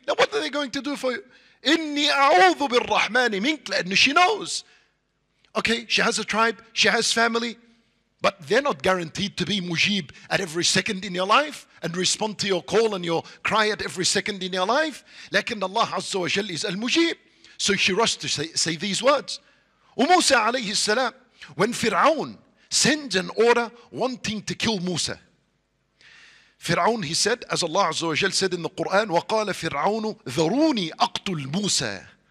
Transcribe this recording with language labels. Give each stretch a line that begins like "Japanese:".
English: Now what are they going to do for you?
Arabic: إِنِّي أَعُوذُ بِالرَّحْمَنِ مِنْكَ.
English: And she knows. Okay, she has a tribe, she has family, but they're not guaranteed to be mujib at every second in your life and respond to your call and your cry at every second in your life.
Arabic: لكن الله عز وجل is المجيب.
English: So she rushed to say these words.
Arabic: وموسى عليه السلام,
English: when Fir'aun sends an order wanting to kill Musa. Fir'aun, he said, as Allah عز وجل said in the Quran,
Arabic: وَقَالَ فِرْعَوْنُ ذَرُونِي أَقْتُلْ مُوسَى.